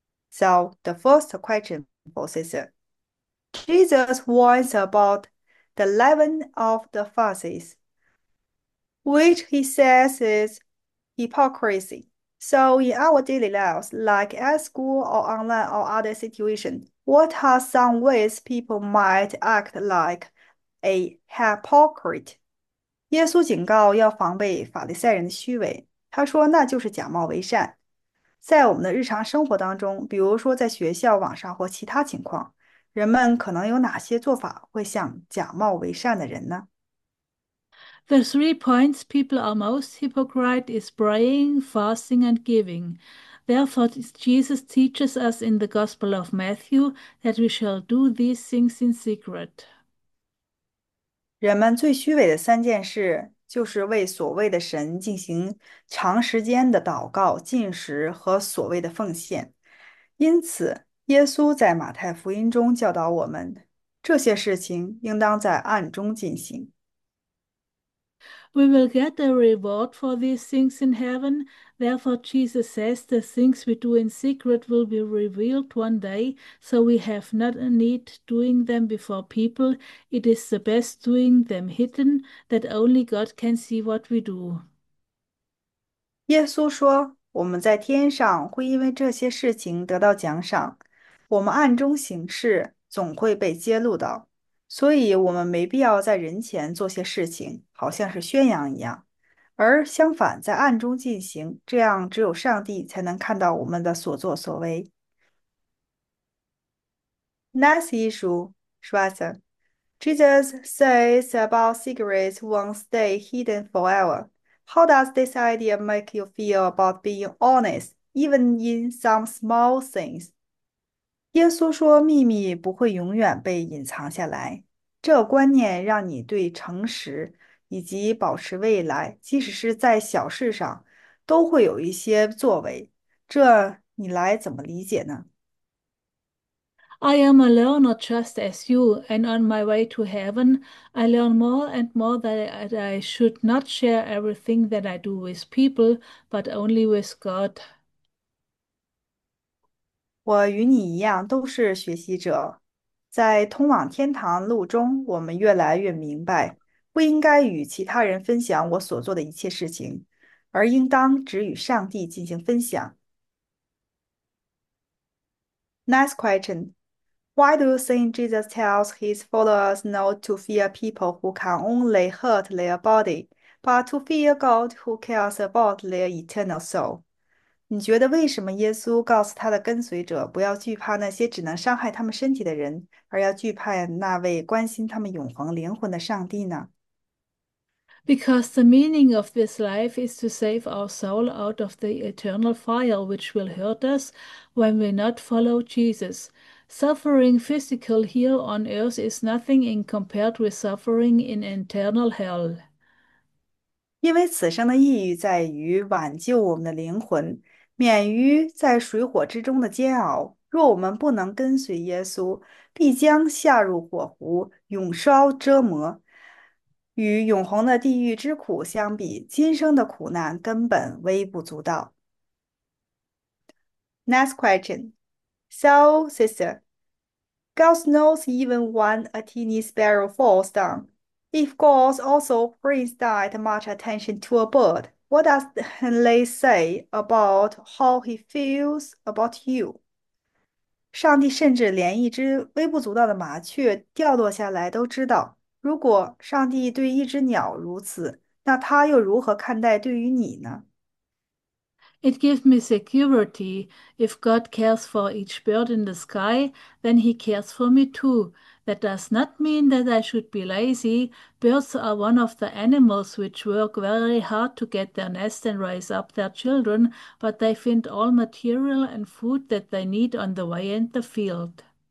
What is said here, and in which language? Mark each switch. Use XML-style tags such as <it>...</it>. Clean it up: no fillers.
<en>So, the first question for sister. Jesus warns about the leaven of the Pharisees, which he says is hypocrisy. So in our daily lives, like at school or online or other situation, what are some ways people might act like a hypocrite?</en> <zh>耶稣警告要防备法利赛人的虚伪，他说那就是假冒伪善。在我们的日常生活当中，比如说在学校、网上或其他情况，人们可能有哪些做法会像假冒伪善的人呢？</zh> <en>The 3 points people are most hypocrite is praying, fasting, and giving. Therefore, Jesus teaches us in the Gospel of Matthew that we shall do these things in secret.</en> <zh>人们最虚伪的三件事，就是为所谓的神进行长时间的祷告、进食和所谓的奉献。因此，耶稣在马太福音中教导我们，这些事情应当在暗中进行。</zh> <en>We will get a reward for these things in heaven. Therefore, Jesus says the things we do in secret will be revealed one day, so we have not a need doing them before people. It is the best doing them hidden that only God can see what we do.</en> <zh>耶稣说：“我们在天上会因为这些事情得到奖赏，我们暗中行事总会被揭露的，所以我们没必要在人前做些事情，好像是宣扬一样。而相反，在暗中进行，这样只有上帝才能看到我们的所作所为。</zh> <en>”Next issue, Schwarzer. Jesus says about secrets won't stay hidden forever. How does this idea make you feel about being honest, even in some small things?</en> <zh>耶稣说，秘密不会永远被隐藏下来。这观念让你对诚实以及保持未来，即使是在小事上，都会有一些作为。这你来怎么理解呢？</zh> <en>I am a learner just as you, and on my way to heaven, I learn more and more that I should not share everything that I do with people, but only with God.</en> <zh>我与你一样都是学习者，在通往天堂路中，我们越来越明白，不应该与其他人分享我所做的一切事情，而应当只与上帝进行分享。</zh> <en>Next question. Why do you think Jesus tells his followers not to fear people who can only hurt their body, but to fear God who cares about their eternal soul?</en> <zh>你觉得为什么耶稣告诉他的跟随者不要惧怕那些只能伤害他们身体的人，而要惧怕那位关心他们永恒灵魂的上帝呢？</zh> <en>Because the meaning of this life is to save our soul out of the eternal fire, which will hurt us when we not follow Jesus. Suffering physical here on earth is nothing in compared with suffering in eternal hell.</en> <zh>因为此生的意义在于挽救我们的灵魂。免于在水火之中的煎熬，若我们不能跟随耶稣，必将下入火湖，永受折磨。与永恒的地狱之苦相比，今生的苦难根本微不足道。</zh> <en>Next question. So, sister, God knows even when a tiny sparrow falls down. If God also pays that much attention to a bird, what does Henley say about how he feels about you?</en> <zh>上帝甚至连一只微不足道的麻雀掉落下来都知道。如果上帝对一只鸟如此，那他又如何看待对于你呢？</zh> <en>It gives me security. If God cares for each bird in the sky, then He cares for me too. That does not mean that I should be lazy. Birds are one of the animals which work very hard to get their nest and raise up their children, but they find all material and food that they need on the way in the field.</en>